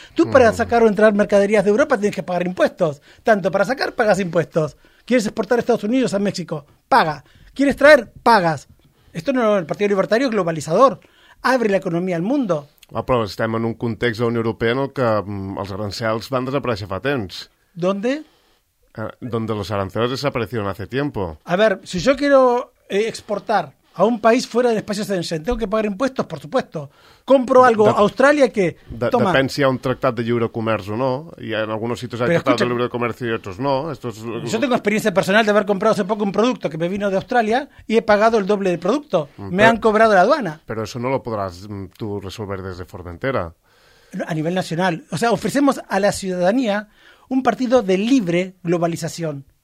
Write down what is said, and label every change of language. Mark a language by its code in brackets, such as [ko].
[es] Tú para sacar o entrar mercaderías de Europa tienes que pagar impuestos. Tanto para sacar, pagas impuestos. ¿Quieres exportar a Estados Unidos, a México? Paga. ¿Quieres traer? Pagas. Esto no es el Partido Libertario globalizador. Abre la economía al mundo. [ca] Ah, però estem en un context de la Unió Europea en el que els arancels van desaparèixer fa temps. [es] ¿Dónde? Donde los aranceles desaparecieron hace tiempo. A ver, si yo quiero exportar a un país fuera del espacio Schengen. Tengo que pagar impuestos, por supuesto. Compro algo a Australia que... [ca] Depèn si hi ha un tractat de lliure comerç o no. [es] Y en algunos sitios hay tratado de [ca] lliure comerç [es] y otros no. Yo tengo experiencia personal de haber comprado hace poco un producto que me vino de Australia y he pagado el doble del producto. Me han cobrado la aduana. Pero eso no lo podrás tú resolver desde Formentera. A nivel nacional. O sea, ofrecemos a la ciudadanía un partido de libre globalización.